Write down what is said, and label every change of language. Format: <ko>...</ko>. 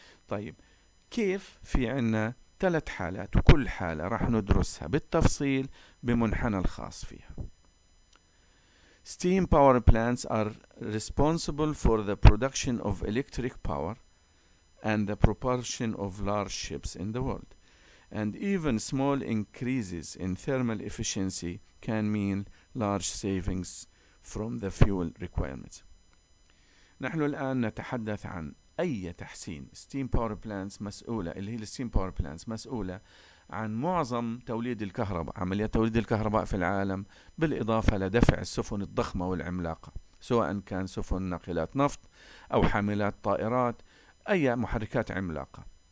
<ar>طيب كيف؟ في عنا ثلاث حالات وكل حالة راح ندرسها بالتفصيل بمنحنى الخاص فيها.</ar> <en>Steam power plants are responsible for the production of electric power and the propulsion of large ships in the world. And even small increases in thermal efficiency can mean large savings from the fuel requirements.</en> <ar>نحن الآن نتحدث عن اي تحسين. ستيم باور بلانتس مسؤوله, اللي هي الستيم باور بلانتس مسؤوله عن معظم توليد الكهرباء, عمليات توليد الكهرباء في العالم, بالاضافه لدفع السفن الضخمه والعملاقه, سواء كان سفن ناقلات نفط او حاملات طائرات, اي محركات عملاقه.</ar>